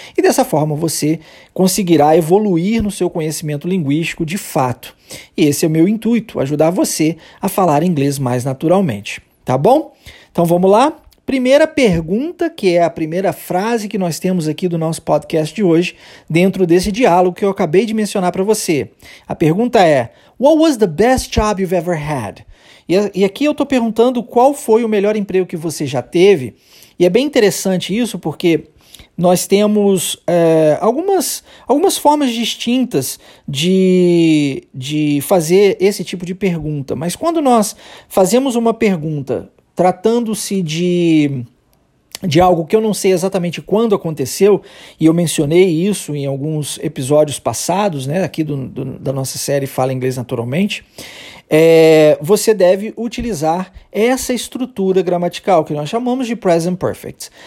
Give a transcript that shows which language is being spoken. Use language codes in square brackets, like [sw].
[pt] E dessa forma, você conseguirá evoluir no seu conhecimento linguístico de fato. E esse é o meu intuito, ajudar você a falar inglês mais naturalmente. Tá bom? Então vamos lá. Primeira pergunta, que é a primeira frase que nós temos aqui do nosso podcast de hoje, dentro desse diálogo que eu acabei de mencionar para você. A pergunta é: [en] What was the best job you've ever had? [pt] E aqui eu estou perguntando qual foi o melhor emprego que você já teve. E é bem interessante isso porque nós temos algumas formas distintas de fazer esse tipo de pergunta. Mas quando nós fazemos uma pergunta tratando-se de algo que eu não sei exatamente quando aconteceu, e eu mencionei isso em alguns episódios passados, né, aqui da nossa série Fala Inglês Naturalmente, você deve utilizar essa estrutura gramatical que nós chamamos de present perfect.